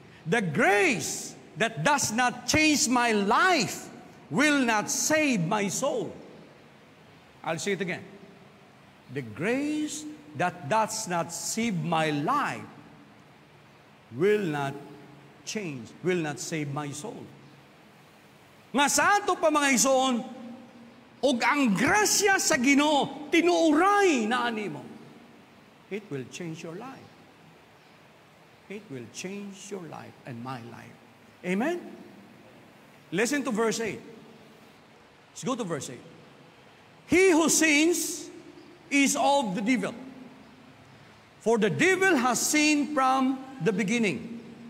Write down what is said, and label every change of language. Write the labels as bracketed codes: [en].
[en] "The grace that does not change my life will not save my soul." I'll say it again. "The grace that does not save my life will not change, will not save my soul." [ceb] Nga sa ato pa mga isoon, ug ang grasya sa Ginoo, tinuoray na ani mo. [en] It will change your life. It will change your life and my life. Amen? Listen to verse 8. Let's go to verse 8. "He who sins is of the devil. For the devil has sinned from the beginning.